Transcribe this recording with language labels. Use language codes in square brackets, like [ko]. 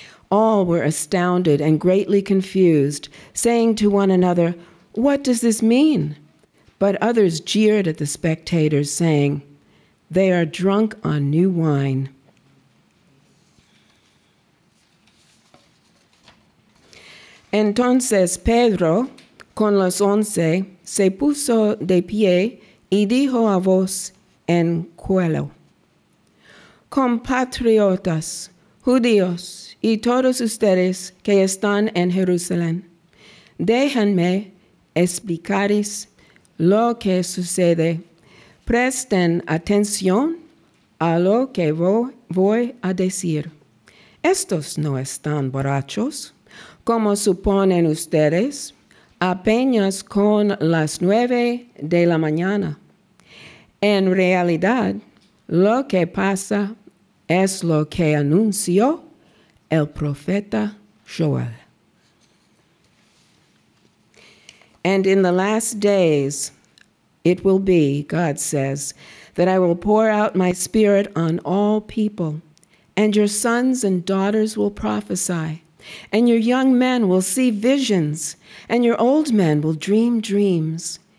[en] All were astounded and greatly confused, saying to one another, "What does this mean?" But others jeered at the spectators, saying, "They are drunk on new wine." [es] Entonces Pedro, con los once, se puso de pie y dijo a voz en cuello, "Compatriotas, judíos, y todos ustedes que están en Jerusalén, déjenme explicaris lo que sucede. Presten atención a lo que voy a decir. Estos no están borrachos, como suponen ustedes, apenas con las 9 de la mañana. En realidad, lo que pasa es lo que anunció el profeta Joel. [en] And in the last days, it will be, God says, that I will pour out my spirit on all people, and your sons and daughters will prophesy, and your young men will see visions, and your old men will dream dreams.